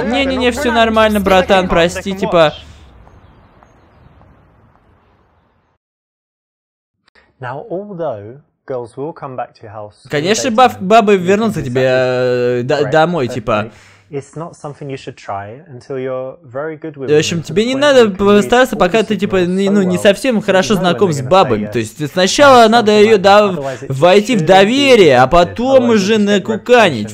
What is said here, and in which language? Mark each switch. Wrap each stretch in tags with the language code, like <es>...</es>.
<ru>Не, все нормально, братан, прости, типа.</ru> <en>Now, although girls will come back to your house.</en> <ru>Конечно, бабы вернутся к тебе домой, типа.</ru> <en>It's not something you should try until you're very good with them.</en> <ru>В общем, тебе не надо постараться, пока ты типа не совсем хорошо знаком с бабами. То есть сначала надо ее войти в доверие, а потом уже накуканить.</ru>